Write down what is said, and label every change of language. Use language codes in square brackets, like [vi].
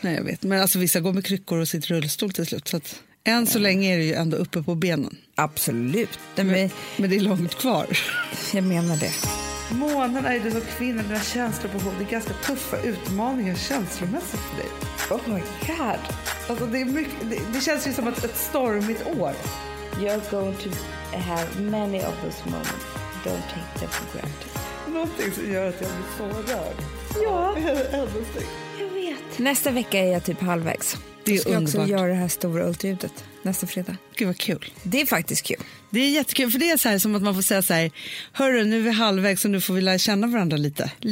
[sv] Nej, jag vet. Men alltså, vissa går med kryckor och sitt rullstol till slut. Så att än så länge är det ju ändå uppe på benen. Absolut. Men det är långt kvar. Jag menar det. Månen är du som kvinna, dina känslor på hov. Det är ganska tuffa utmaningar känslomässigt för dig. [en] Oh my god. [sv] Alltså det är mycket, det känns ju som ett stormigt år. [en] You're going to have many of those moments. Don't take them for granted. [sv] Någonting som gör att jag blir så rörd. Ja. Jag vet. Nästa vecka är jag typ halvvägs. Det är underbart. Jag ska också göra det här stora ultraljudet nästa fredag. Gud vad kul. Det är faktiskt kul. Det är jättekul, för det är så här som att man får säga så här: hörru, nu är vi halvvägs så nu får vi lära känna varandra lite.